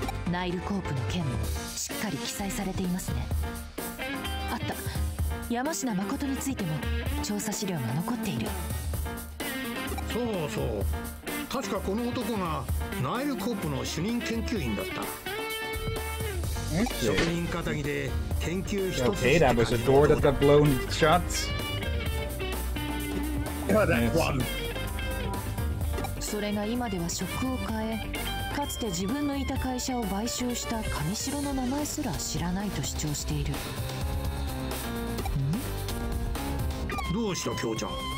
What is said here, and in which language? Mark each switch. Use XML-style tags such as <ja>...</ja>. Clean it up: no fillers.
<ja>ナイルコープの件もしっかり記載されていますね。あった、山下誠についても調査資料が残っている。そうそう、確かこの男がナイルコープの主任研究員だった。職人肩で研究一つ。</ja> <en>Okay, that was a door that got blown shut. Got that one.</en> <ja>それが今では職を変え、かつて自分のいた会社を買収した上城の名前すら知らないと主張している。ん？どうした京ちゃん。</ja>